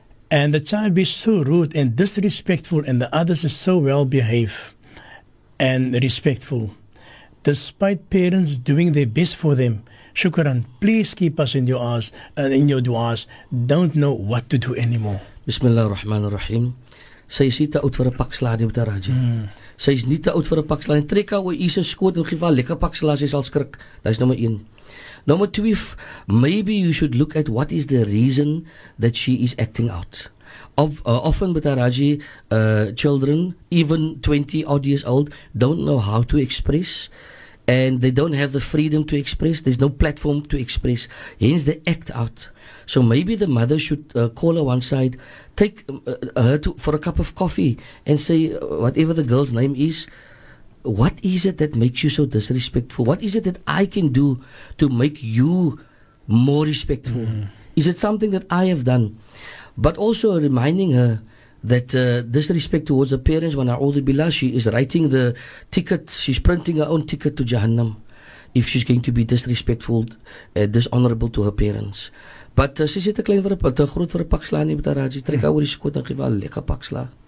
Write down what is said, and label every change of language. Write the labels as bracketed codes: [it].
[en] And the child be so rude and disrespectful, and the others is so well behaved and respectful, despite parents doing their best for them. Shukran, please keep us in your eyes and in your duas. Don't know what to do anymore. [ar] Bismillah ar-Rahman ar-Rahim. [af] Sy is nie te oud vir 'n pak slaag nie, Mr. Raji. Sy is nie te oud vir 'n pak slaag. Trek haar oor Jesus skoot en gee haar lekker pak slaag, sy sal skrik. Dit is nommer 1. Nommer 2, [en] maybe you should look at what is the reason that she is acting out. Often, Mr. Raji, children, even 20 odd years old, don't know how to express. And they don't have the freedom to express. There's no platform to express. Hence, they act out. So maybe the mother should call her one side, take her to for a cup of coffee and say, whatever the girl's name is, what is it that makes you so disrespectful? What is it that I can do to make you more respectful? Is it something that I have done? But also reminding her that disrespect towards the parents, when A'udhu Billah, she is writing the ticket, she's printing her own ticket to Jahannam if she's going to be disrespectful, dishonorable to her parents. [af] But sy sit te klein vir 'n pat, te groot vir 'n pak slaag nie, met haar raadjie. Trek haar oor die skoot en gee haar 'n lekker pak slaag.